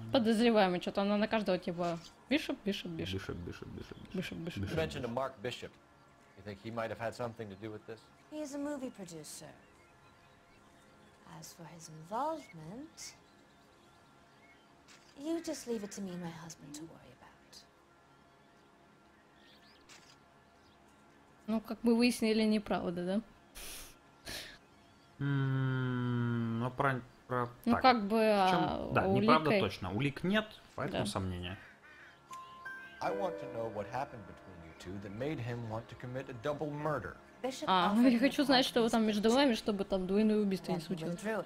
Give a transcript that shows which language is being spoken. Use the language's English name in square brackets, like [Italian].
[Russian] Подозреваемый, что-то она на каждого типа [English] Bishop. You mentioned a Mark Bishop. You think he might have had something to do with this? He is a movie producer. As for his involvement, you just leave it to me and my husband to worry about. [Russian] Ну, как мы выяснили, неправда, да? Ну, про... Ну, так. Как бы, да, уликой... неправда точно. Улик нет, поэтому да. Сомнения. [English] I want to know what happened between you two that made him want to commit a double murder. [Russian] А, я хочу знать, что там между вами, чтобы там двойное убийство не случилось.